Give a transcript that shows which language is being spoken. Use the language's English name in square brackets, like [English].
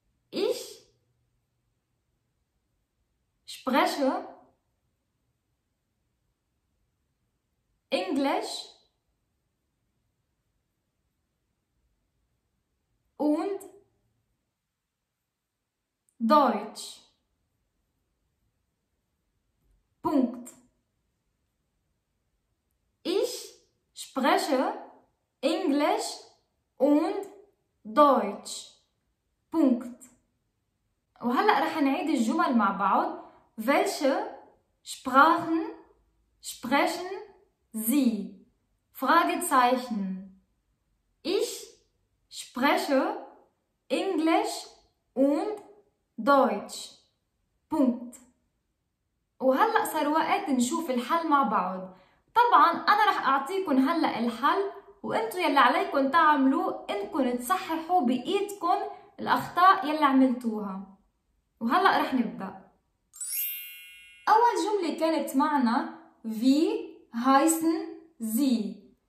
[German] Ich spreche Englisch und Deutsch. Punkt. Ich spreche Englisch und Deutsch. Punkt. [Arabic] وهلا رح نعيد الجمل مع بعض. [German] Welche Sprachen sprechen Sie? Fragezeichen. Ich spreche Englisch und Deutsch. Punkt. [Arabic] وهلا صار وقت نشوف الحل مع بعض. طبعا انا رح اعطيكم هلا الحل وانتو يلي عليكم تعملوا انكم تصححوا بايدكم الاخطاء يلي عملتوها. وهلا رح نبدا. اول جمله كانت معنا [German] في هايسن زي.